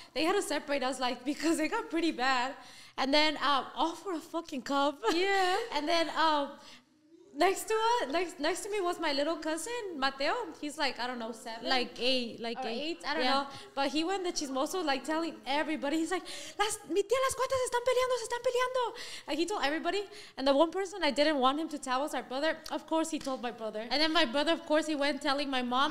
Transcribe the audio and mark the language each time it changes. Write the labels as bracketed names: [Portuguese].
[English] They had to separate us, like, because it got pretty bad. And then, all for a fucking cup. Yeah. And then, next to me was my little cousin, Mateo. He's like, I don't know, seven. Like eight. I don't know. But he went to Chismoso, like, telling everybody. He's like, [Spanish] mi tía, las cuatas están peleando. [English] Like, he told everybody. And the one person I didn't want him to tell was our brother. Of course, he told my brother. And then my brother, of course, he went telling my mom.